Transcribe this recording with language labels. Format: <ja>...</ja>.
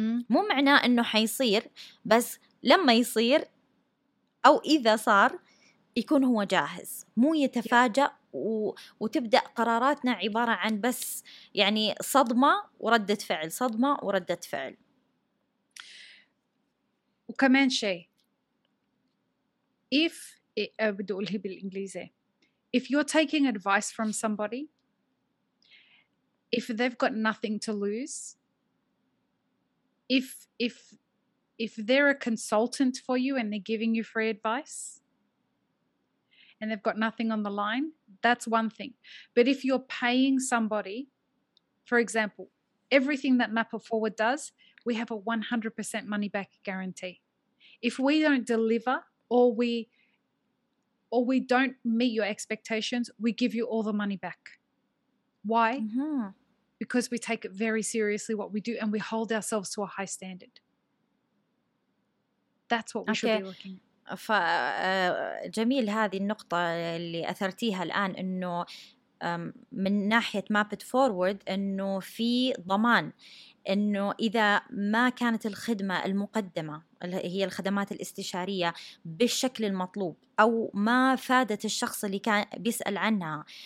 <ar>مو معناه أنه حيصير، بس لما يصير أو إذا صار يكون هو جاهز، مو يتفاجأ وتبدأ قراراتنا عبارة عن بس يعني صدمة وردة فعل، صدمة وردة فعل.</ar> <en>وكمان شيء، if بدي أقوله بالإنجليزي، if you're taking advice from somebody, if they've got nothing to lose, if they're a consultant for you and they're giving you free advice and they've got nothing on the line, that's one thing. But if you're paying somebody, for example, everything that Mapper Forward does, we have a 100% money back guarantee. If we don't deliver or we don't meet your expectations, we give you all the money back. Why? Mm-hmm. Because we take it very seriously what we do and we hold ourselves to a high standard. That's what we okay. should be looking at.</en> <ar>فجميل هذه النقطة اللي أثرتيها الآن، إنه من ناحية Mapped Forward إنه في ضمان إنه إذا ما كانت الخدمة المقدمة هي الخدمات الاستشارية بالشكل المطلوب أو ما فادت الشخص اللي كان بيسأل عنها</ar>